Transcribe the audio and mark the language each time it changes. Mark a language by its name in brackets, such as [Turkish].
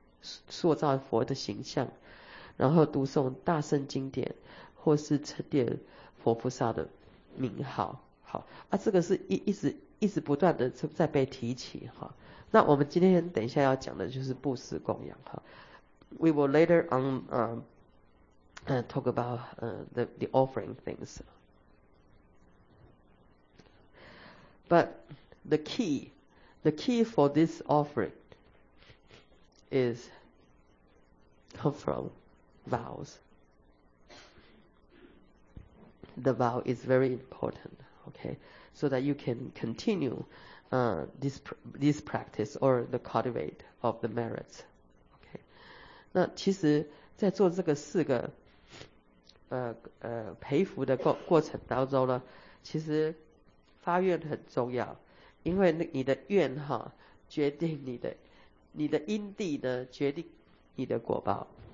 [Chinese] 塑造佛的形象，然后读诵大圣经典，或是称念佛菩萨的名号。好，啊，这个是一直不断的在被提起哈。那我们今天等一下要讲的就是布施供养哈。 [English] We will later on talk about the offering things. But the key for this offering. Is come from vows. The vow is very important, okay, so that you can continue this practice or the cultivate of the merits. [Chinese] Okay, 那其实，在做这个四个培福的过程当中呢，其实发愿很重要，因为你的愿哈，决定你的因地呢，决定你的果报。